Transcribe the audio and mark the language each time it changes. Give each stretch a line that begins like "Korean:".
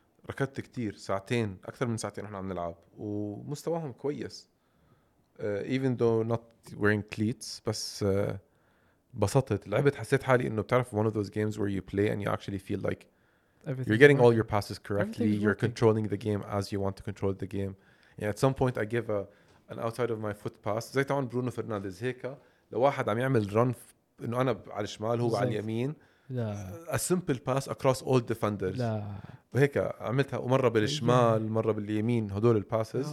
Arabic: ركضت كتير ساعتين أكثر من ساعتين إحنا عم نلعب ومستواهم كويس.
English: Even though not wearing cleats,
Arabic: بس بسطت لعبت حسيت حالي إنه بتعرف
English: one of those games where you play and you actually feel like everything you're getting all your passes correctly. You're controlling the game as you want to control the game. Yeah, at some point I give an outside of my foot pass.
Arabic: زي طبعاً برونو فرنانديز هيكا لواحد عم يعمل run إنه أنا على الشمال هو على اليمين.
English: A simple pass across all defenders.
Arabic: وهيك عملتها ومرة بالشمال مرة باليمين هدول الباسز.